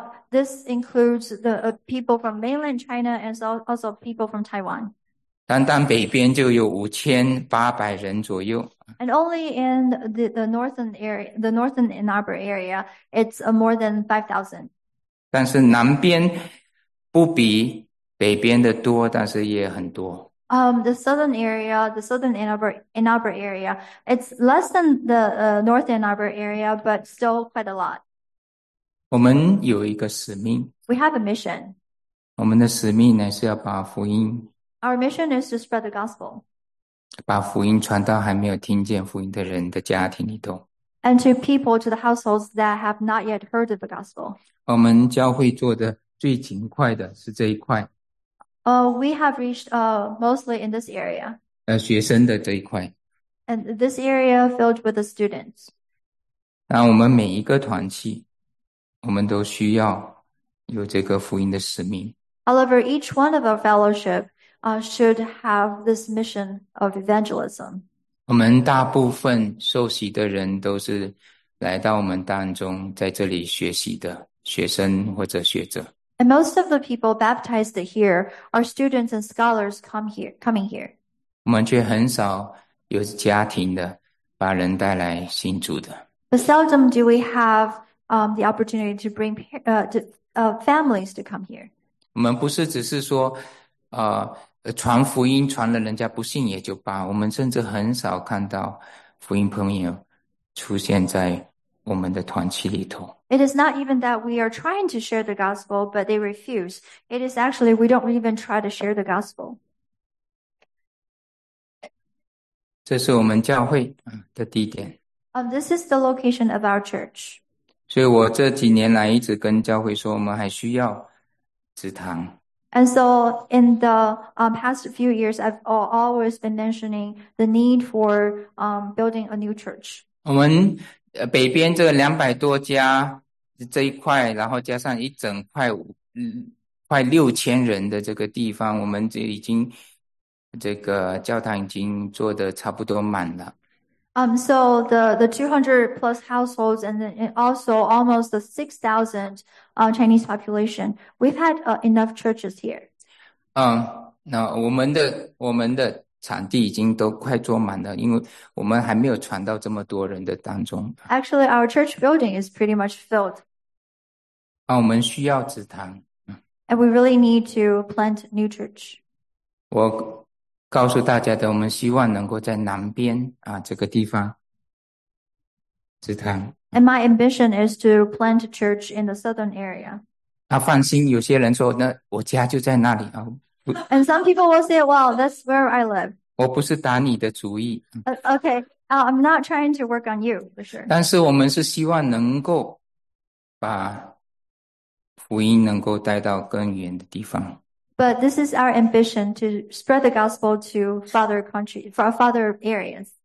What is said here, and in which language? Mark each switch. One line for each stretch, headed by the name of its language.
English: This includes the people from mainland China and also people from Taiwan.
Chinese: 单单北边就有5800人左右。
English: And only in the northern Ann Arbor area, it's more than 5,000.
Chinese: 但是南边不比北边的多，但是也很多。
English: The southern Ann Arbor area, it's less than the north Ann Arbor area, but still quite a lot.
Chinese: 我们有一个使命，
English: We have a mission.
Chinese: 我们的使命呢是要把福音，
English: Our mission is to spread the gospel.
Chinese: 把福音传到还没有听见福音的人的家庭里头。
English: And to people, to the households that have not yet heard of the gospel.
Chinese: 我们教会做的最勤快的是这一块。
English: We have reached mostly in this area.
Chinese: 学生的这一块。
English: And this area filled with the students.
Chinese: 那我们每一个团契，我们都需要有这个福音的使命。
English: However, each one of our fellowship should have this mission of evangelism.
Chinese: 我们大部分受洗的人都是来到我们当中，在这里学习的学生或者学者。
English: And most of the people baptized here are students and scholars coming here.
Chinese: 我们却很少有家庭的把人带来信主的。
English: But seldom do we have the opportunity to bring families to come here.
Chinese: 我们不是只是说传福音传了人家不信也就罢，我们甚至很少看到福音朋友出现在我们的团契里头。
English: It is not even that we are trying to share the gospel, but they refuse. It is actually we don't even try to share the gospel.
Chinese: 这是我们教会的地点。
English: This is the location of our church.
Chinese: 所以我这几年来一直跟教会说，我们还需要职堂。
English: And so in the past few years, I've always been mentioning the need for building a new church.
Chinese: 我们北边这200多家这一块，然后加上一整块快6000人的这个地方，我们这已经这个教堂已经做得差不多满了。
English: So the 200 plus households and also almost the 6,000 Chinese population, we've had enough churches here.
Chinese: 那我们的场地已经都快坐满了，因为我们还没有传到这么多人的当中。
English: Actually, our church building is pretty much filled.
Chinese: 我们需要职堂。
English: And we really need to plant new church.
Chinese: 我告诉大家的，我们希望能够在南边这个地方职堂。
English: And my ambition is to plant a church in the southern area.
Chinese: 放心，有些人说，那我家就在那里啊。
English: And some people will say, well, that's where I live.
Chinese: 我不是打你的主意。
English: Okay, I'm not trying to work on you, for sure.
Chinese: 但是我们是希望能够把福音能够带到更远的地方。
English: But this is our ambition to spread the gospel to farther country, for farther areas.